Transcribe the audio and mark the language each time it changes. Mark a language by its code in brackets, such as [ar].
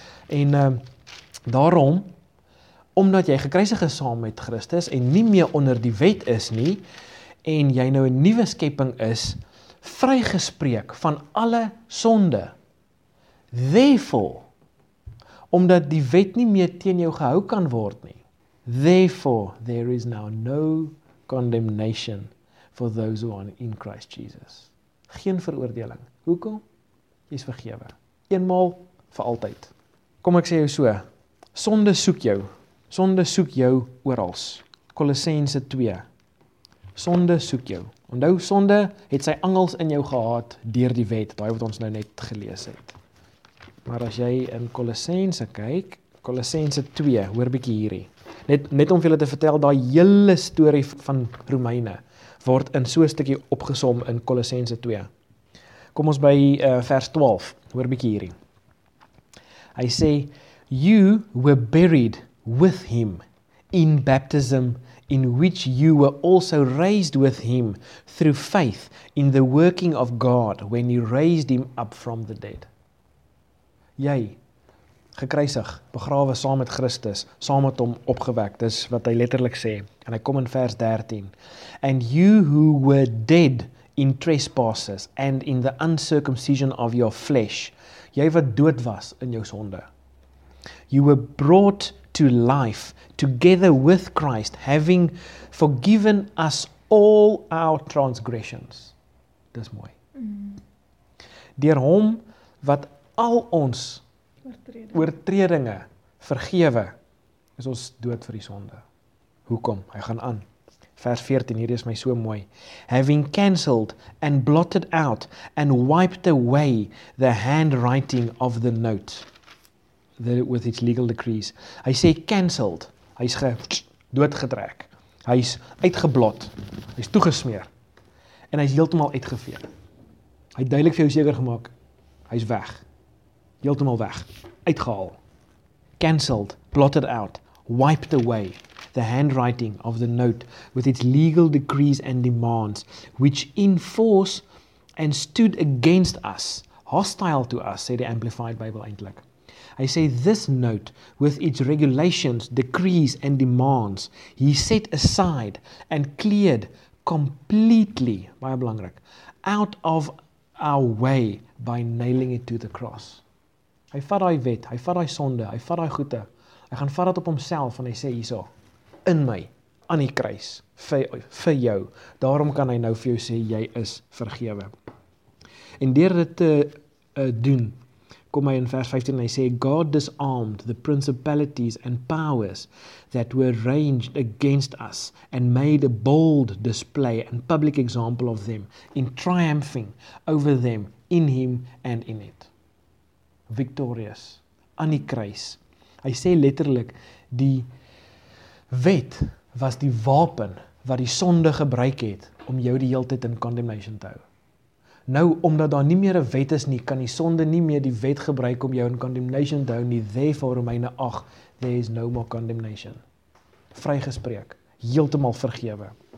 [af] En daarom, omdat jy gekruisig is saam met Christus en nie meer onder die wet is nie, en jy nou 'n nuwe skepping is, vrygespreek van alle sonde. Therefore, omdat die wet nie meer teen jou gehou kan word nie. [en] Therefore, there is now no condemnation for those who are in Christ Jesus. [af] Geen veroordeling. Hoekom? Jy is vergewe. Eenmaal vir altyd. Kom ek sê jou so. Sonde soek jou. Sonde soek jou orals. Kolossense 2. Sonde soek jou. Onthou, sonde het sy angels in jou gehad deur die wet. Daai wat ons nou net gelees het. Maar as jy in Kolossense kyk, Kolossense 2, hoor bietjie hierdie. Net om vir julle te vertel, daai hele storie van Romeine word in so 'n stukkie opgesom in Kolossense 2. Kom ons by vers 12, hoor bietjie hierdie. Hy sê, [en] You were buried with him in baptism, in which you were also raised with him through faith in the working of God when he raised him up from the dead. [af] Jy, gekruisig, begrawe saam met Christus, saam met hom opgewek. Dis wat hy letterlik sê. En hy kom in vers 13. [en] And you who were dead in trespasses and in the uncircumcision of your flesh. [af] Jy wat dood was in jou sonde. [en] You were brought to life together with Christ, having forgiven us all our transgressions. [af] Dis mooi. Deur hom wat al ons oortredinge vergewe, is ons dood vir die sonde. Hoekom? Hy gaan aan. Vers 14, hierdie is my so mooi. [en] Having cancelled and blotted out and wiped away the handwriting of the note with its legal decrees. [af] Hy sê cancelled. Hy is doodgetrek. Hy is uitgeblot. Hy is toegesmeer. En hy is heeltemal uitgeveer. Hy het duidelik vir jou seker gemaak, hy is weg. Heeltemal weg. Uitgehaal. [en] Cancelled, blotted out, wiped away the handwriting of the note with its legal decrees and demands, which in force and stood against us, hostile to us, [af] sê die Amplified Bible eintlik. Hy sê, [en] this note with its regulations, decrees and demands, he set aside and cleared completely, [af] baie belangrik, [en] out of our way by nailing it to the cross. [af] Hy vat daai wet, hy vat daai sonde, hy vat daai goeie. Hy gaan vat dit op homself en hy sê hierso, in my, aan die kruis, vir jou. Daarom kan hy nou vir jou sê, jy is vergewe. En deur dit te doen, kom hy in vers 15 en hy sê, [en] God disarmed the principalities and powers that were ranged against us and made a bold display and public example of them in triumphing over them in him and in it. [af] Victorious, aan die kruis. Hy sê letterlik, die wet was die wapen wat die sonde gebruik het om jou die hele tyd in condemnation te hou. Nou, omdat daar nie meer een wet is nie, kan die sonde nie meer die wet gebruik om jou in condemnation te hou nie. [en] Therefore, Romeine 8, there is no more condemnation. [af] Vrygespreek, heeltemal vergewe.